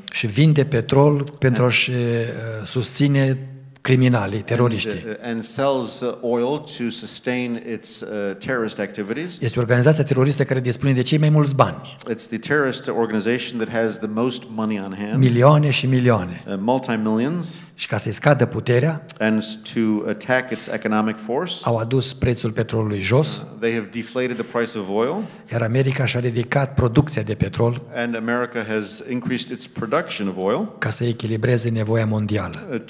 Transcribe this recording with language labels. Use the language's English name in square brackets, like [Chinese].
[Romanian] Și vinde petrol pentru a-și susține criminalii, teroriștii. [English] And sells oil to sustain its terrorist activities. [Romanian] Este organizația teroristă care dispune de cei mai mulți bani. [English] It's the terrorist organization that has the most money on hand. [Romanian] Milioane și milioane. [English] Multi-millions. [Romanian] Și ca să-i scadă puterea, [English] and to attack its economic force, [Romanian] au adus prețul petrolului jos. [English] They have deflated the price of oil. [Romanian] Iar America și-a ridicat producția de petrol. [English] And America has increased its production of oil. [Romanian] Ca să echilibreze nevoia mondială.